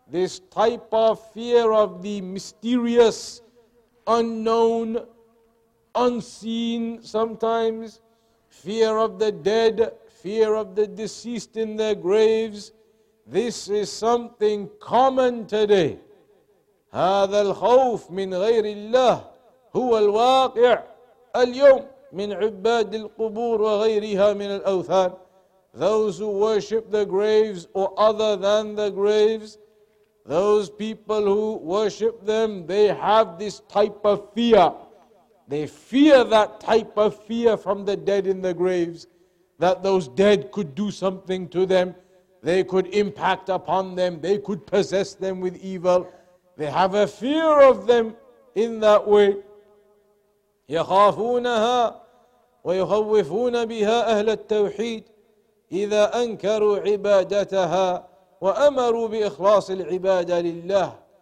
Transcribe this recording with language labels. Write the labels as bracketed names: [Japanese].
[English] This type of fear of the mysterious, unknown, unseen sometimes, fear of the dead, fear of the deceased in their graves, this is something common today. [Arabic] هذا الخوف من غير الله هو الواقع اليوم من عباد القبور وغيرها من الأوثان. [English] Those who worship the graves or other than the graves, those people who worship them, they have this type of fear. They fear that type of fear from the dead in the graves, that those dead could do something to them. They could impact upon them. They could possess them with evil. They have a fear of them in that way. [Arabic] يخافونها ويخوفون بها أهل التوحيد إذا أنكروا عبادتها وأمروا بإخلاص العبادة لله.